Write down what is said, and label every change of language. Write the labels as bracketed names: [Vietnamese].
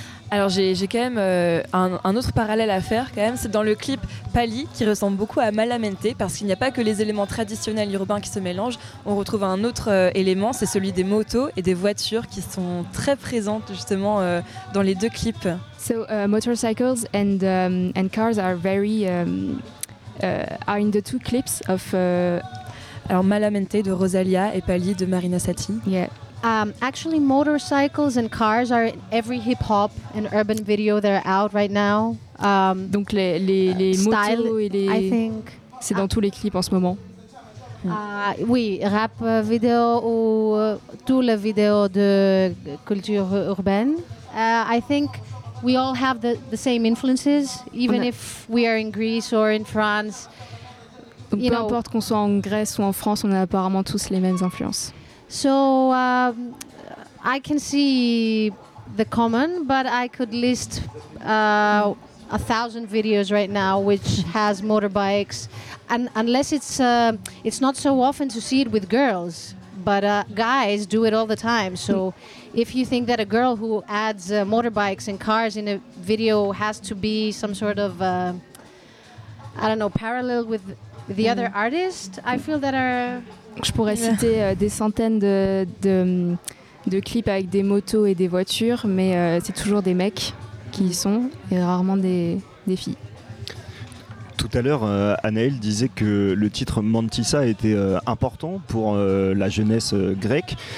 [French] Alors j'ai quand même un autre parallèle à faire quand même, c'est dans le clip Pali qui ressemble beaucoup à Malamente, parce qu'il n'y a pas que les éléments traditionnels urbains qui se mélangent, on retrouve un autre élément, c'est celui des motos et des voitures qui sont très présentes justement dans les deux clips. [English] So motorcycles and cars are very are in the two clips of [French] alors Malamente de Rosalia et Pali de Marina Sati. [English] Yeah. Actually, motorcycles and cars are in every hip hop and urban video that are out right now. [French] Donc les [English] style, [French] motos et les [English] I think [French] c'est dans tous les clips en ce moment. Oui, rap vidéo ou tous les vidéos de culture urbaine. [English] I think we all have the same influences, even if we are in Greece or in France. [French] Donc peu importe qu'on soit en Grèce ou en France, on a apparemment tous les mêmes influences. [English] So I can see the common, but I could list 1,000 videos right now which has motorbikes, and unless it's not so often to see it with girls, but guys do it all the time. So if you think that a girl who adds motorbikes and cars in a video has to be some sort of I don't know, parallel with the other artist, I feel that are [French] je pourrais citer des centaines de clips avec des motos et des voitures, mais c'est toujours des mecs qui y sont et rarement des filles. Tout à l'heure, Anaël disait que le titre Mantissa était important pour la jeunesse grecque.